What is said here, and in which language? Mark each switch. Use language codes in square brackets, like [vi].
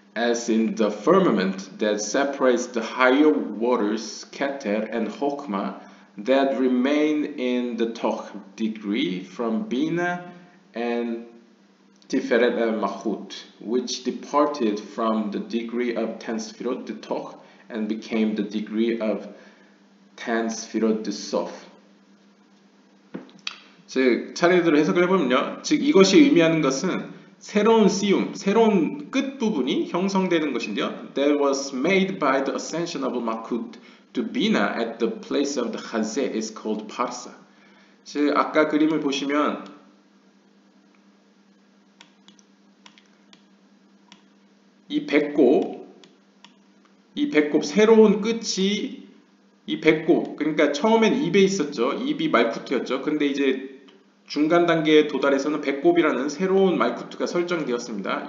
[en] As in the firmament that separates the higher waters Keter and Chokmah that remain in the Tokh degree from Bina and Tiferet al-Makhut, which departed from the degree of 10 Sefirot the Tokh and became the degree of 10 Sefirot the Sof. [ko] 즉, 차례대로 해석을 해보면요. 즉, 이것이 의미하는 것은 새로운 씨움, 새로운 끝부분이 형성되는 것인데요. [en] That was made by the ascension of Malkut to Bina at the place of the Hazeh is called Parsa. [ko] 즉, 아까 그림을 보시면 이 배꼽 새로운 끝이 이 배꼽, 그러니까 처음엔 입에 있었죠. 입이 말쿠트였죠. 근데 이제 중간 단계에 도달해서는 배꼽이라는 새로운 말쿠트가 설정되었습니다.